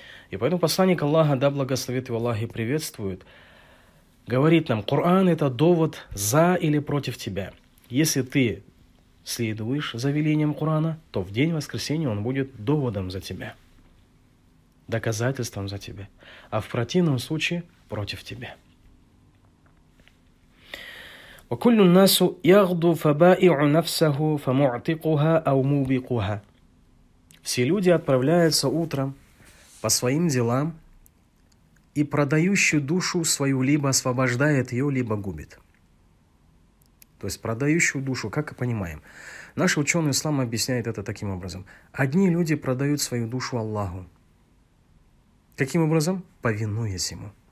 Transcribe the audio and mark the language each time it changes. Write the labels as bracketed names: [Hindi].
[Russian] И поэтому посланник Аллаха, да благословит его Аллах и приветствует, говорит нам, Коран – это довод за или против тебя. Если ты следуешь за велением Корана, то в день воскресения он будет доводом за тебя, доказательством за тебя, а в противном случае против тебя. [Arabic] وكل الناس يغضو فبائع نفسه فمعتقها أو موبقها. [Russian] Все люди отправляются утром по своим делам и продающий душу свою либо освобождает ее, либо губит. То есть продающую душу, как и понимаем. Наш ученый ислам объясняет это таким образом. Одни люди продают свою душу Аллаху. Каким образом? Повинуясь ему.